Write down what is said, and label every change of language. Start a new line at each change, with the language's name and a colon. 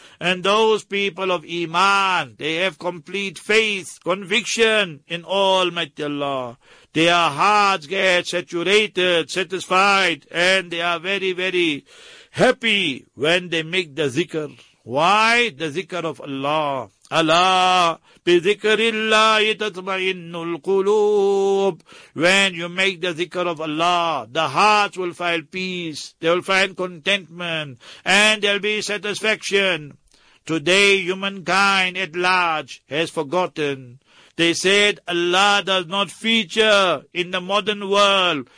English: And those people of Iman, they have complete faith, conviction in Almighty Allah. Their hearts get saturated, satisfied, and they are very, very happy when they make the zikr. Why? The zikr of Allah.
Arabic: Allah, بِذِكْرِ اللَّهِ تَطْمَئِنُّ الْقُلُوبِ.
English: When you make the zikr of Allah, the hearts will find peace, they will find contentment, and there will be satisfaction. Today, humankind at large has forgotten. They said Allah does not feature in the modern world.